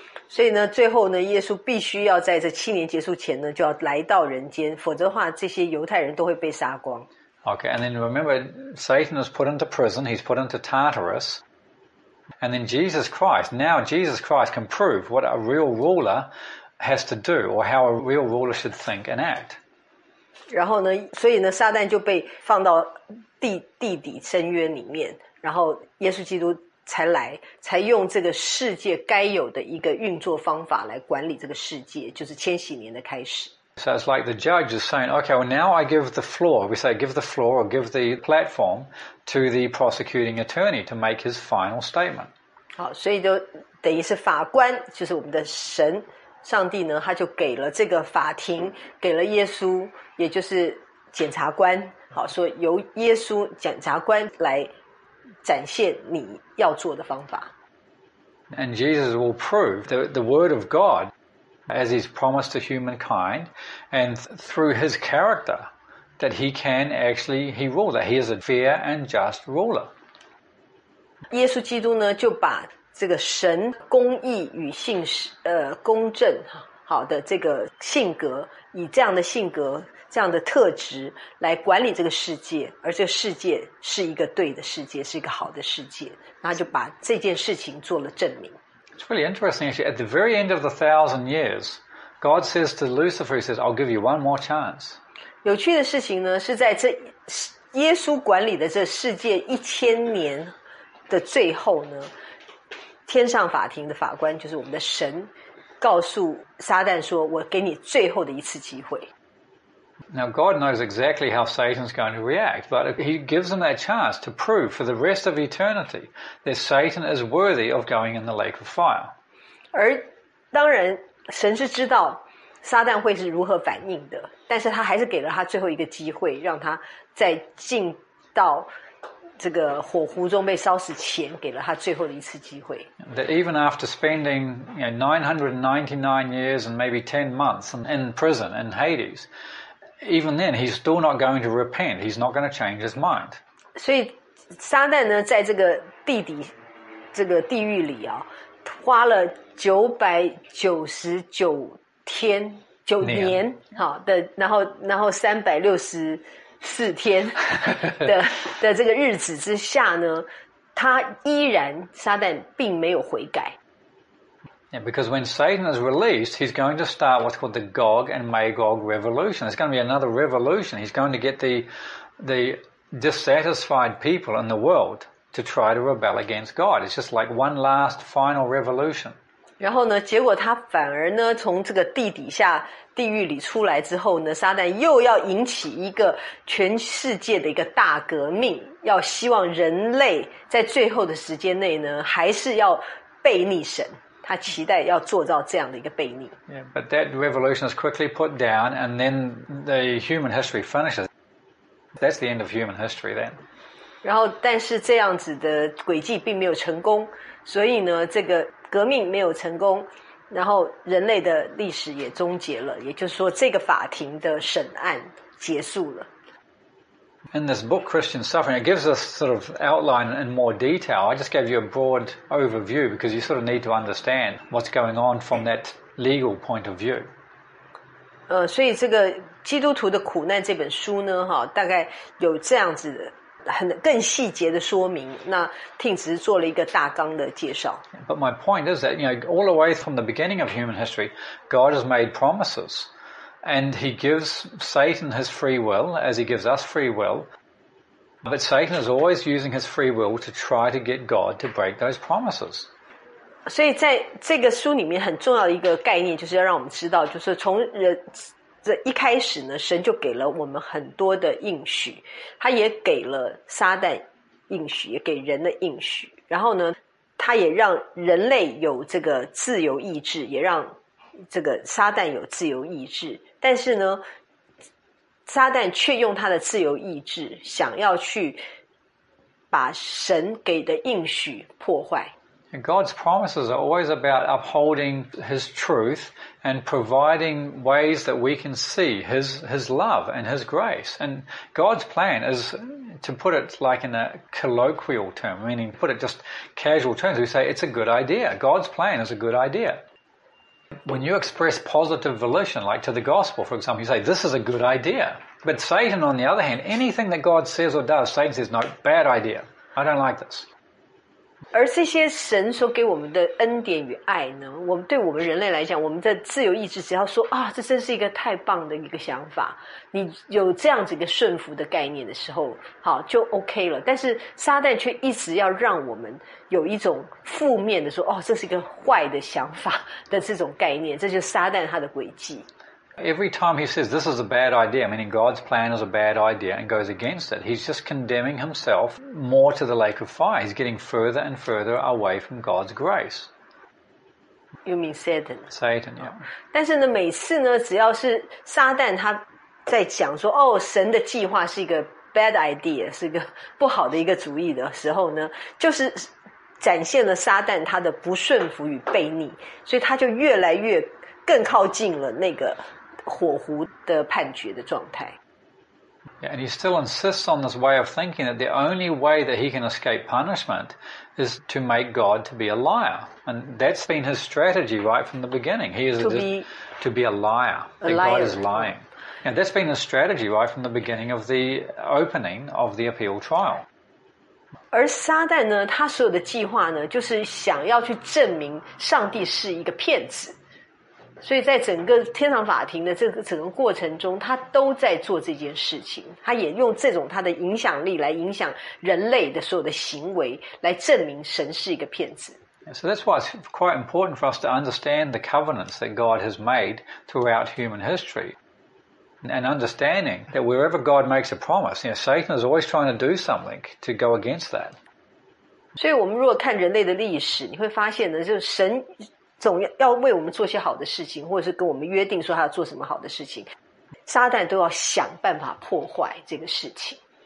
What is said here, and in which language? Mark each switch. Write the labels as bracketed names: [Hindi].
[Chinese] 所以呢，最后呢，耶稣必须要在这七年结束前呢，就要来到人间，否则的话，这些犹太人都会被杀光。 [English] Okay, and then remember, Satan is put into prison. He's put into Tartarus. And then Jesus Christ, now Jesus Christ can prove what a real ruler has to do or how a real ruler should think and act. [Chinese] 然后呢，所以呢，撒旦就被放到地底深渊里面，然后耶稣基督才来，才用这个世界该有的一个运作方法来管理这个世界，就是千禧年的开始。 [English] So it's like the judge is saying, okay, well now I give the floor, we say give the floor or give the platform to the prosecuting attorney to make his final statement. [Chinese] 好，所以就等于是法官，就是我们的神，上帝呢，他就给了这个法庭，给了耶稣，也就是检察官，好，说由耶稣检察官来展现你要做的方法。 [English] And Jesus will prove the word of God. As he's promised to humankind, and through his character, that he can actually he rule, that he is a fair and just ruler. [Chinese] 耶稣基督呢，就把这个神公义与信实公正好的这个性格，以这样的性格、这样的特质来管理这个世界，而这个世界是一个对的世界，是一个好的世界，那就把这件事情做了证明。 [English] It's really interesting, actually. At the very end of the 1,000 years, God says to Lucifer, He says, I'll give you one more chance. [Chinese] 有趣的事情呢，是在这耶稣管理的这世界一千年的最后呢，天上法庭的法官就是我们的神，告诉撒旦说，我给你最后的一次机会。 [English] Now, God knows exactly how Satan's going to react, but he gives him that chance to prove for the rest of eternity that Satan is worthy of going in the lake of fire. [Chinese] 而当然，神是知道撒旦会是如何反应的，但是他还是给了他最后一个机会，让他在进到这个火湖中被烧死前，给了他最后的一次机会。 [English] That even after spending, you know, 999 years and maybe 10 months in prison in Hades,Even then, he's still not going to repent. He's not going to change his mind. [Chinese] 所以撒旦呢，在这个地底，这个地狱里啊，花了999年，好的，然后364天的这个日子之下呢，他依然撒旦并没有悔改。 [English] Yeah, because when Satan is released, he's going to start what's called the Gog and Magog revolution. It's going to be another revolution. He's going to get the dissatisfied people in the world to try to rebel against God. It's just like one last final revolution. [Chinese] 然后呢，结果他反而呢，从这个地底下地狱里出来之后呢，撒旦又要引起一个全世界的一个大革命，要希望人类在最后的时间内呢，还是要背逆神。他期待要做到这样的一个悖逆。 [English] Yeah, but that revolution is quickly put down, and then the human history finishes. That's the end of human history then. [Chinese] 然后，但是这样子的诡计并没有成功，所以呢，这个革命没有成功，然后人类的历史也终结了，也就是说，这个法庭的审案结束了。 [English] In this book, Christian Suffering, it gives us sort of outline in more detail. I just gave you a broad overview because you sort of need to understand what's going on from that legal point of view. [Chinese] 所以这个基督徒的苦难这本书呢，哈，大概有这样子的很更细节的说明。那Tim只是做了一个大纲的介绍。 [English] But my point is that, you know, all the way from the beginning of human history, God has made promises. And he gives Satan his free will, as he gives us free will. But Satan is always using his free will to try to get God to break those promises. [Chinese] 所以在这个书里面很重要的一个概念，就是要让我们知道，就是从人这一开始呢，神就给了我们很多的应许，他也给了撒旦应许，也给人的应许。然后呢，他也让人类有这个自由意志，也让这个撒旦有自由意志，但是呢，撒旦却用他的自由意志想要去把神给的应许破坏。 [English] God's promises are always about upholding His truth and providing ways that we can see His love and His grace. And God's plan is to put it like in a colloquial term, meaning put it just casual terms. We say it's a good idea. God's plan is a good idea. When you express positive volition, like to the gospel, for example, you say, this is a good idea. But Satan, on the other hand, anything that God says or does, Satan says, no, bad idea. I don't like this. [Chinese] 而这些神所给我们的恩典与爱呢，我们对我们人类来讲，我们的自由意志只要说啊，这真是一个太棒的一个想法，你有这样子一个顺服的概念的时候，好，就 OK 了。但是撒旦却一直要让我们有一种负面的说，哦，这是一个坏的想法的这种概念，这就是撒旦他的诡计。 [English] Every time he says this is a bad idea, meaning God's plan is a bad idea, and goes against it, he's just condemning himself more to the lake of fire. He's getting further and further away from God's grace. You mean Satan? Satan, yeah. [Chinese] 但是呢，每次呢，只要是撒旦他在讲说，哦，神的计划是一个 [English] bad idea, [Chinese] 是一个不好的一个主意的时候呢，就是展现了撒旦他的不顺服与悖逆，所以他就越来越更靠近了那个火湖的判决的状态。 [English] Yeah, and he still insists on this way of thinking that the only way that he can escape punishment is to make God to be a liar. And that's been his strategy right from the beginning. He is to be a liar. God is lying. And that's been his strategy right from the beginning of the opening of the appeal trial. [Chinese] 而撒旦呢，他所有的计划呢，就是想要去证明上帝是一个骗子。所以在整个天堂法庭的这个整个过程中，他都在做这件事情，他也用这种他的影响力来影响人类的所有的行为，来证明神是一个骗子。 [English] So that's why it's quite important for us to understand the covenants that God has made throughout human history. And understanding that wherever God makes a promise, you know, Satan is always trying to do something to go against that. [Chinese] 所以我们如果看人类的历史，你会发现呢，就是神总要为我们做些好的事情，或者是跟我们约定说他要做什么好的事情，撒旦都要想办法破坏这个事情。